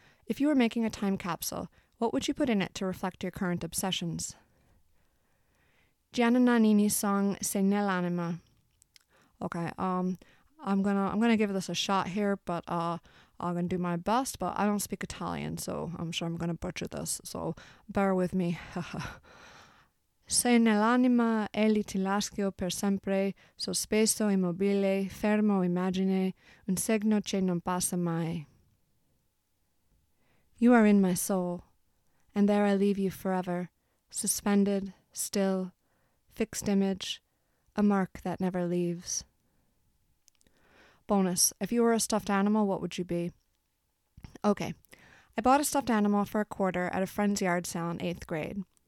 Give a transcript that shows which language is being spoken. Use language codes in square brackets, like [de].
[en] If you were making a time capsule, what would you put in it to reflect your current obsessions? Gianna Nannini's song, Se Nell'Anima. Okay, I'm gonna give this a shot here, but I'm gonna do my best, but I don't speak Italian, so I'm sure I'm gonna butcher this, so bear with me. [it] Se nell'anima egli ti lascio per sempre, sospeso immobile, fermo immagine, un segno che non passa mai. [en] You are in my soul, and there I leave you forever, suspended, still, fixed image, a mark that never leaves. Bonus, if you were a stuffed animal, what would you be? Okay, I bought a stuffed animal for a quarter at a friend's yard sale in 8th grade.